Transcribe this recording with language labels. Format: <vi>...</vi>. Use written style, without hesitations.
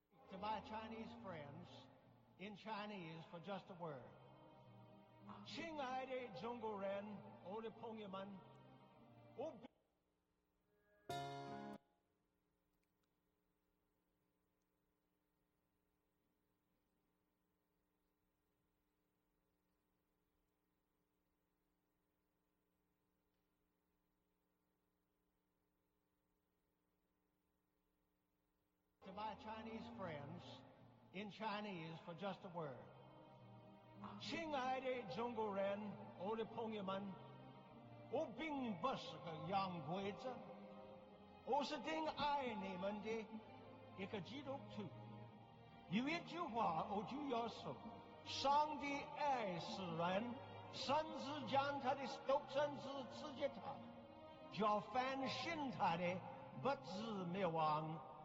<en>To my Chinese friends, in Chinese for just a word.</en> <zh>亲爱的中国人，我的朋友们，我。</zh> <en>To my Chinese friends, in Chinese for just a word.</en> <zh>亲爱的中国人，我的朋友们，我并不是个洋鬼子，我是挺爱你们的一个基督徒。有一句话我就要说：上帝爱世人，甚至将他的独生子赐给他，叫凡信他的不至灭亡。</zh>